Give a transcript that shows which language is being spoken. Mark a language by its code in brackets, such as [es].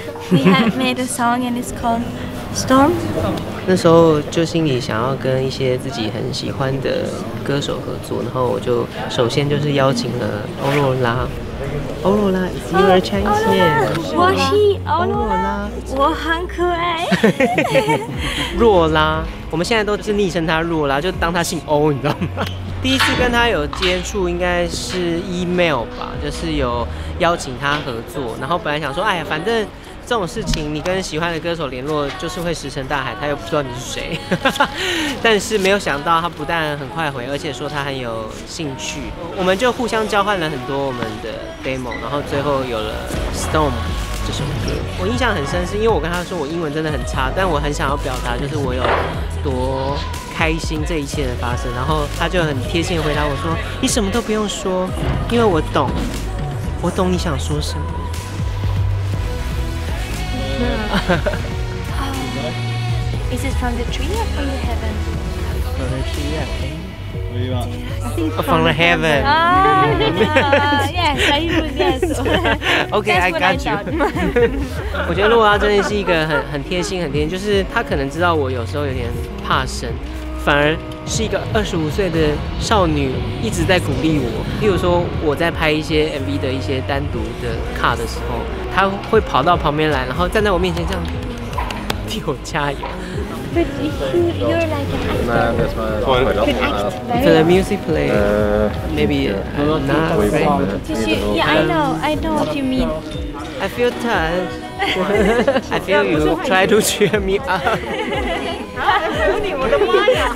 [en] We have made a song and it's called Storm. [zh] 那时候就心里想要跟一些自己很喜欢的歌手合作，然后我就首先就是邀请了欧若拉。 [en] 欧若拉 is your chance. [zh] 我是欧若拉，我很可爱。若拉，我们现在都是昵称他若拉，就当他姓欧，你知道吗？第一次跟他有接触应该是 email 吧，就是有邀请他合作，然后本来想说，哎呀，反正这种事情你跟喜欢的歌手联络就是会石沉大海，他又不知道你是谁。但是没有想到他不但很快回，而且说他很有兴趣，我们就互相交换了很多我们的 demo， 然后最后有了 Storm 这首歌。我印象很深是因为我跟他说我英文真的很差，但我很想要表达就是我有多开心这一切的发生，然后他就很贴心的回答我说，你什么都不用说，因为我懂，我懂你想说什么。 [en] Is it from the tree or from the heaven? From the tree, I think. I think from the heaven. Ah, yes, yes. Okay, I got you. [zh] 我觉得若拉真的是一个很贴心、很贴心，就是他可能知道我有时候有点怕生，反而是一个25岁的少女一直在鼓励我。例如说我在拍一些 MV 的一些单独的卡的时候，她会跑到旁边来，然后站在我面前这样替我加油。 [en] But if you're like a actor, could act for the music play, maybe I'm not afraid. Yeah, I know what you mean. I feel touched. I feel you try to cheer me up. [zh] 我的妈呀